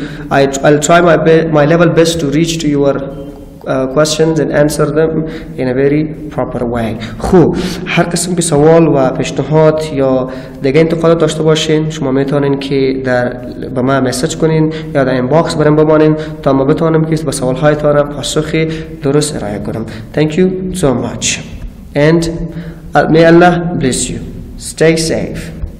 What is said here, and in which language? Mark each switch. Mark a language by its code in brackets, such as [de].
[en] I'll try my level best to reach to your questions and answer them in a very proper way. [fa] خوب هر قسم که سوال و پیشنهاد یا دیگه انتقادات داشته باشین شما میتونین که در به ما مسج کنین یا در این باکس برام بمانین تا ما بتونیم که به سوال هایتان پاسخ درست ارائه کنم. [en] Thank you so much and may Allah bless you. Stay safe.